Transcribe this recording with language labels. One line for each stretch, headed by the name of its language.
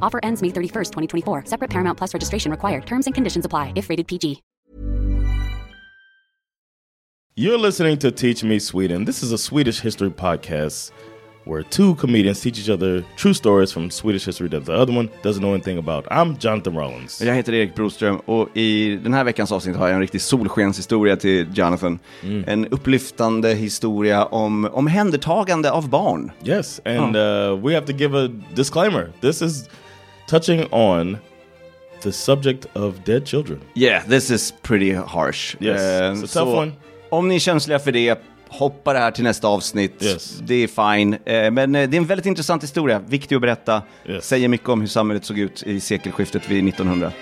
English: Offer ends May 31st, 2024. Separate Paramount Plus registration required. Terms and conditions apply if rated PG. You're listening to Teach Me Sweden. This is a Swedish history podcast where two comedians teach each other true stories from Swedish history that the other one doesn't know anything about. I'm Jonathan Rollins.
Swedish: Jag heter Erik Broström och i den här veckans avsnitt har jag en riktig solskenshistoria till Jonathan. Mm. En upplyftande historia om omhändertagande av barn.
English: Yes, and we have to give a disclaimer. This is touching on the subject of dead children. Yeah, this is pretty harsh. Yes, it's a tough one.
Swedish: Om ni är känsliga för det, hoppa det här till nästa avsnitt.
English: Yes.
Swedish: Det är fine. Men det är en väldigt intressant historia. Viktig att berätta.
English: Yes.
Swedish: Säger mycket om hur samhället såg ut i sekelskiftet vid 1900.